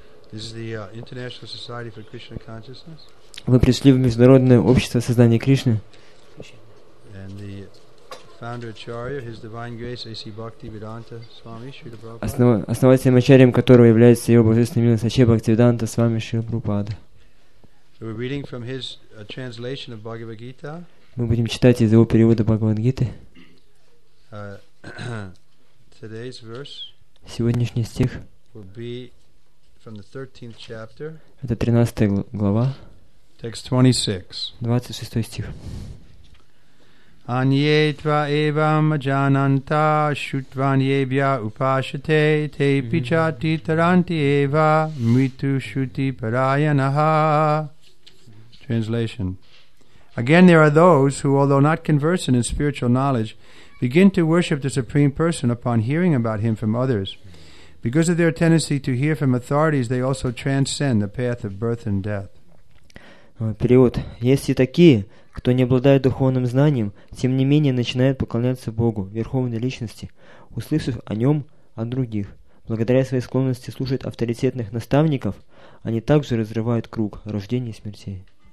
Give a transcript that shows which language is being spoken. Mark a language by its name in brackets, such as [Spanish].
[English] This is the International Society for Krishna Consciousness. [Russian] Вы пришли в Международное общество сознания Кришны. [English] And the founder Acharya, His Divine Grace, A.C. Bhaktivedanta Swami Srila Prabhupada. [Russian] Основателем Ачарьем которого является Его Божественная Милость Ачарья Бхактивиданта Свами Шрила Прабхупада. [English] So we're reading from his translation of Bhagavad Gita. [Russian] Мы будем читать из его перевода Бхагавад-гиты. [English] Today's verse. [Russian] Сегодняшний стих. [English] Will be from the 13th chapter. [Russian] Это 13 глава. [English] Text 26. [Russian] 26 стих. [Sanskrit] Anye tva evam jananta shutvanyevya upashate te pichati taranti eva mitu shuti parayanaha. [English] Translation. Again, there are those who, although not conversant in spiritual knowledge, begin to worship the Supreme Person upon hearing about Him from others. Because of their tendency to hear from authorities, they also transcend the path of birth and death. [Russian] Перевод. Есть и такие, кто не обладает духовным знанием, тем не менее начинает поклоняться Богу, Верховной Личности, услышав о Нем от других. Благодаря своей склонности слушать авторитетных наставников, они также разрывают круг рождения и смертей.